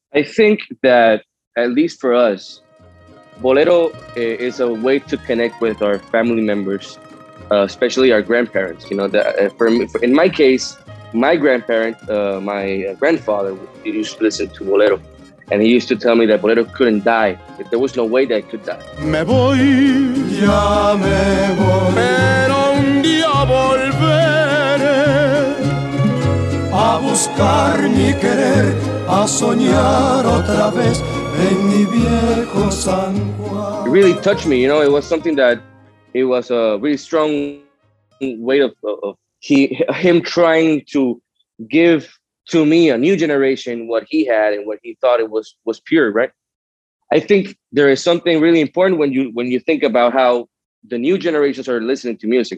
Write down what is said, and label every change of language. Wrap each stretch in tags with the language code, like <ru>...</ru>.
<en>I think that, at least for us, bolero is a way to connect with our family members, especially our grandparents. You know, in my case, my grandparent, my grandfather, used to listen to bolero. And he used to tell me that bolero couldn't die. That there was no way that it could die.</en> <es>Me voy, ya me voy, pero un día volveré a buscar mi querer, a soñar otra vez en mi viejo San Juan.</es> <en>It really touched me. You know, it was something that it was a really strong way of him trying to give to me, a new generation, what he had and what he thought it was pure, right? I think there is something really important when you think about how the new generations are listening to music.</en>